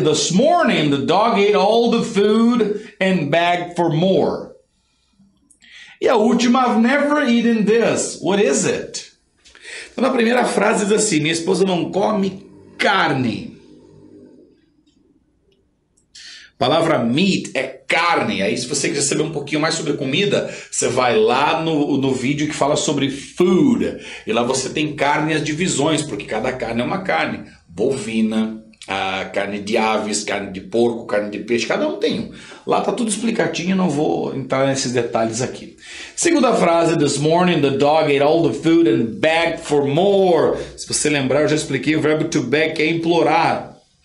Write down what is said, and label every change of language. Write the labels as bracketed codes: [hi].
[en] This morning, the dog ate all the food and begged for more. [pt] E a última, [en] I've never eaten this. What is it? [pt] Então, na primeira frase diz assim, minha esposa não come carne. A palavra meat é carne. Aí, se você quiser saber um pouquinho mais sobre comida, você vai lá no vídeo que fala sobre food. E lá você tem carne e as divisões, porque cada carne é uma carne. Bovina, a carne de aves, carne de porco, carne de peixe, cada um tem. Lá está tudo explicadinho, não vou entrar nesses detalhes aqui. Segunda frase, [en] this morning the dog ate all the food and begged for more. [pt] Se você lembrar, eu já expliquei o verbo to beg, que é implorar.